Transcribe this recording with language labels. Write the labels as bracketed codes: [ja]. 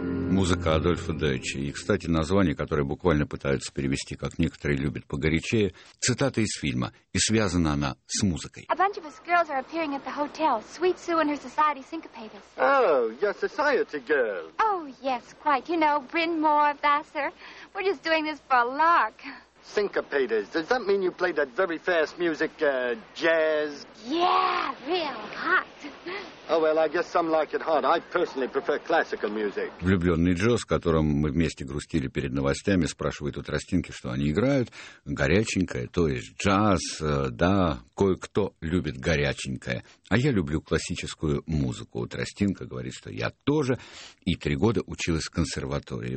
[ru] Музыка Адольфа Дойче. И, кстати, название, которое буквально пытаются перевести, как некоторые любят погорячее, цитата из фильма. И связана она с музыкой. [en] A bunch of us girls are appearing at the hotel. Sweet Sue and her society syncopators. Oh, your society girls. Oh, yes, quite. You know, Bryn Mawr, Vassar. We're just doing this for a lark. Syncopators. Does that mean you play that very fast music, jazz? Yeah, real hot. Oh, well, I guess some like it hot. I personally prefer classical music. [ru] Влюбленный Джо, с которым мы вместе грустили перед новостями, спрашивает у Тростинки, что они играют. Горяченькое, то есть джаз, да, кое-кто любит горяченькое. А я люблю классическую музыку. Тростинка говорит, что я тоже, и 3 года училась в консерватории.